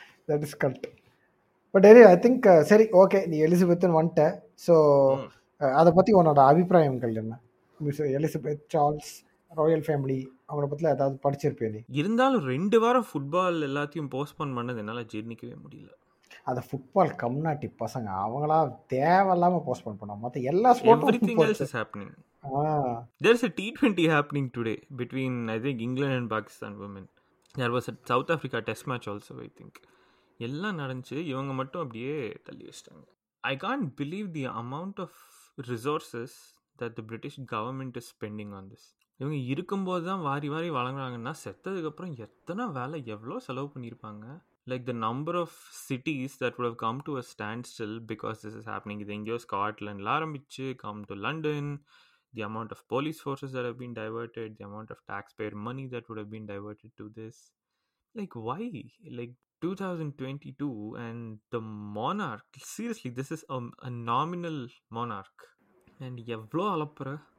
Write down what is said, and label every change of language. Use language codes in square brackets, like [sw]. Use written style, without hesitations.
[en] that is correct but any I think [ta] சரி okay நீ எலிசபெத்னு வந்துட்ட ஸோ அதை பற்றி உன்னோட அபிப்பிராயங்கள் என்ன எலிசபெத் சார்ல்ஸ் ராயல் ஃபேமிலி அவங்கள பற்றில ஏதாவது படிச்சிருப்பேன் நீ இருந்தாலும் ரெண்டு வாரம் ஃபுட்பால் எல்லாத்தையும் போஸ்ட்போன் பண்ணது என்னால் ஜீர்ணிக்கவே முடியல அதை ஃபுட்பால் கம்நாட்டி பசங்க அவங்களா தேவையில்லாமல் போஸ்ட்போன் பண்ணாங்க மற்ற எல்லா ஸ்போர்ட்ஸும் [en] Happening There is a T20 happening today between I think England and Pakistan women. There was a South Africa test match also I think. [ta] எல்லாம் நடந்துச்சு இவங்க மட்டும் அப்படியே தள்ளி வச்சிட்டாங்க [en] I can't believe the amount of resources that the British government is spending on this. [ta] இவங்க இருக்கும்போது தான் வாரி வாரி வழங்குறாங்கன்னா செத்ததுக்கப்புறம் எத்தனை வேலை எவ்வளோ செலவு பண்ணியிருப்பாங்க [en] like the number of cities that would have come to a standstill because this is happening [ta] இது எங்கேயோ ஸ்காட்லாண்டில் ஆரம்பிச்சு [en] come to London the amount of police forces that have been diverted the amount of taxpayer money that would have been diverted to this like why like 2022 and the monarch seriously this is a nominal monarch and [ta] எவ்வளோ அலப்புற